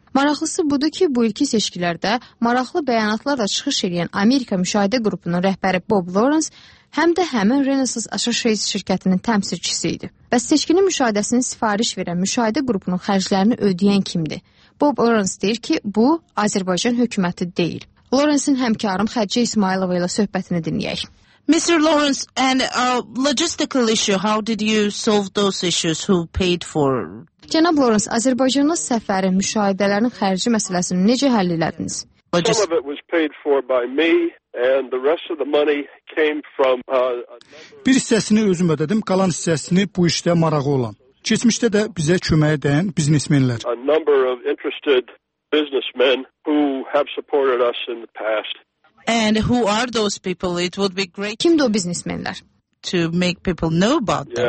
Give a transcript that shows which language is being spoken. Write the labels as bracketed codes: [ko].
[az] Maraqlısı budur ki, bu ilki seçkilərdə maraqlı bəyanatlarla çıxış edən Amerika müşahidə qrupunun rəhbəri Bob Lawrence həm də həmin Renaissance Associates şirkətinin təmsilçisi idi. Bəs seçkinin müşahidəsini sifariş verən müşahidə qrupunun xərclərini ödəyən kimdir? Bob Lawrence deyir ki, bu Azərbaycan hükuməti deyil. Lawrence'in həmkarım Xədicə İsmailova ilə söhbətini dinləyək. [en] Mr. Lawrence, and logistical issue, how did you solve those issues? Who paid for? [az] Cənab Lawrence, Azərbaycanın səfəri, müşahidələrin xərci məsələsini necə həll elədiniz? [en] Some of it was paid for by me, and the rest of the money came from [az] Bir hissəsini özüm ödədim, qalan hissəsini bu işdə marağı olan. Keçmişdə də bizə köməyə dəyən biznesmenlər. [en] A number of interested businessmen who have supported us in the past. And who are those people? It would be great. [az] Kimdə o biznesmenlər? [en] To make people know about them.